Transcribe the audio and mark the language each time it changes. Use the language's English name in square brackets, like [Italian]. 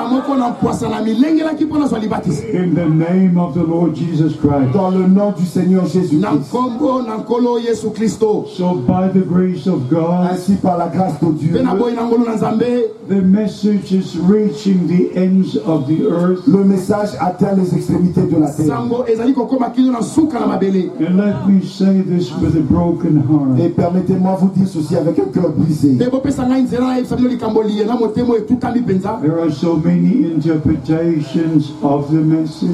[English] In the name of the Lord Jesus Christ. [French] Dans le nom du Seigneur Jésus-Christ. [English] So by the grace of God. [French] Ainsi par la grâce de Dieu. [English] The message is reaching the ends of the earth. [French] Le message atteint les extrémités de la terre. [English] And let me say this with a broken heart. [French] Et permettez-moi vous dire ceci avec un cœur brisé. [English] There are so many interpretations of the message.